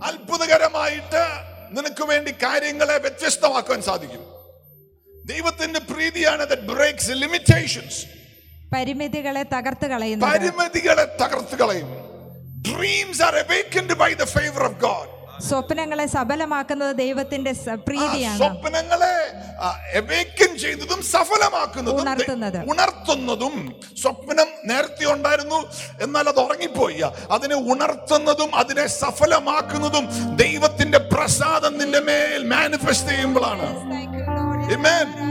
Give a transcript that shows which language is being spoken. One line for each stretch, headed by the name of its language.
Malayalam: അത്ഭുതകരമായിട്ട് നിനക്ക് വേണ്ടി കാര്യങ്ങളെ വ്യത്യസ്തമാക്കാൻ സാധിക്കും. ദൈവത്തിന്റെ പ്രീതിയാണ്
English: that breaks limitations.
Malayalam: പരിമിതികളെ തകർത്തു കളയുന്നു. പരിമിതികളെ തകർത്തു കളയുന്നു.
English: Dreams are awakened by the favor of God.
Malayalam: സ്വപ്നങ്ങളെ സഫലമാക്കുന്നത് ദൈവത്തിന്റെ പ്രീതിയാണ്. സ്വപ്നങ്ങളെ awaken ചെയ്യുന്നതും സഫലമാക്കുന്നതും ഉണർത്തുന്നതും. സ്വപ്നം നേരത്തെ ഉണ്ടായിരുന്നു, എന്നാൽ അത് ഉറങ്ങിപ്പോയ. അതിനെ ഉണർത്തുന്നതും അതിനെ സഫലമാക്കുന്നതും ദൈവത്തിന്റെ പ്രസാദം നിന്റെ മേൽ മാനിഫെസ്റ്റ് ചെയ്യുമ്പോഴാണ്. Amen.